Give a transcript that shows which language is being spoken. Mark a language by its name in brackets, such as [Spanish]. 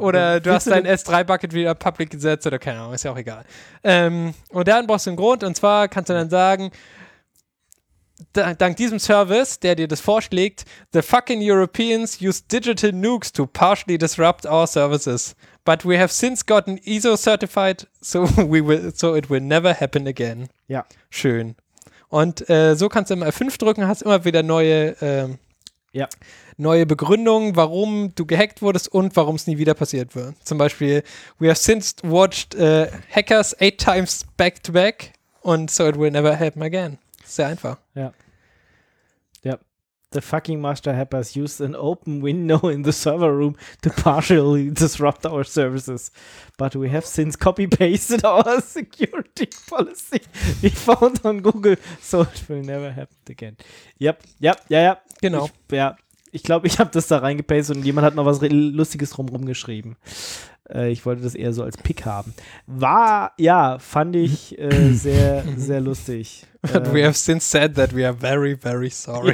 [German] Oder du hast dein S3-Bucket wieder public gesetzt oder keine Ahnung, ist ja auch egal. Und dann brauchst du einen Grund, und zwar kannst du dann sagen, dank diesem Service, der dir das vorschlägt, [English] the fucking Europeans use digital nukes to partially disrupt our services. But we have since gotten ISO certified, so it will never happen again. [German] Ja. Schön. Und so kannst du immer F5 drücken, hast immer wieder neue Begründungen, warum du gehackt wurdest und warum es nie wieder passiert wird. Zum Beispiel, [English] we have since watched hackers 8 times back to back [German] und [English] so it will never happen again. [German] Sehr einfach. Ja. Ja. [English] The fucking master hackers used an open window in the server room to partially disrupt our services. But we have since copy-pasted our security policy we found on Google, so it will never happen again. Yep. Yep. Ja, ja. [German] Genau. Ja. Ich glaube, ich habe das da reingepastet und jemand hat noch was Lustiges drumherum geschrieben. Ich wollte das eher so als Pick haben. War, ja, fand ich sehr, sehr lustig. [English] But we have since said that we are very, very sorry.